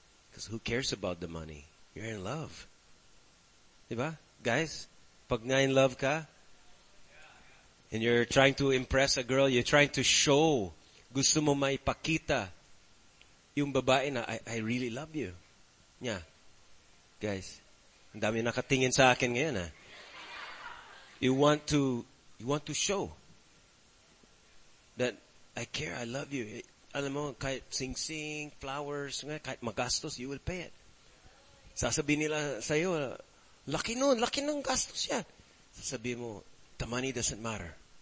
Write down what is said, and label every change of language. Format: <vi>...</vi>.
<en>Because who cares about the money? You're in love.</en> <tl>Diba?</tl> <en>Guys,</en> <tl>pag nga in love ka,</tl> <en>and you're trying to impress a girl, you're trying to show,</en> <tl>gusto mo maipakita yung babae na,</tl> <en>I really love you. Nya.</en> <tl>Guys, ang dami nakatingin sa akin ngayon ha.</tl> <en>You want to show that I care, I love you.</en> <tl>Alam mo, kahit sing-sing, flowers, kahit magastos,</tl> <en>you will pay it.</en> <tl>Sasabihin nila sa'yo, laki ng gastos yan. Sasabihin mo,</tl> <en>the money doesn't matter.</en>